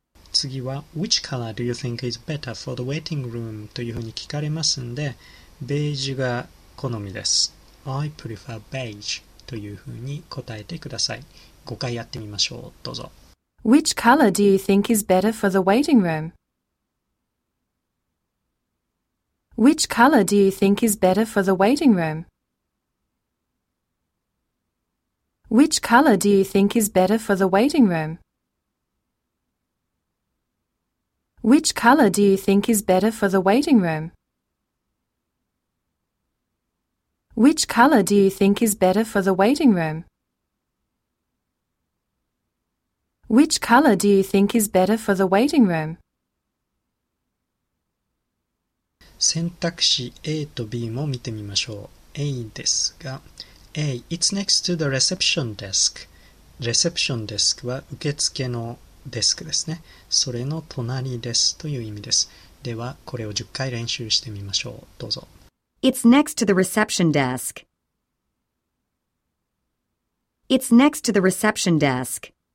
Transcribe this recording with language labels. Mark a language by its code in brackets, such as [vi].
[ja] 次は、 [en] Which color do you think is better for the waiting room? [ja] というふうに聞かれますんで、ベージュが好みです。 [en] I prefer beige [ja] というふうに答えてください。 5回やってみましょう。どうぞ。 [en] Which color do you think is better for the waiting room? Which color do you think is better for the waiting room? Which color do you think is better for the waiting room? Which color do you think is better for the waiting room? Which color do you think is better for the waiting room? Which color do you think is better for the waiting room? [ja] 選択肢 A と B も見てみましょう。 [en] A [ja] ですが、 [en] A, it's next to the reception desk. [ja] レセプションデスクは受付のデスクですね。それの隣ですという意味です。では、これを10回練習してみましょう。どうぞ。 [en] It's next to the reception desk. It's next to the reception desk.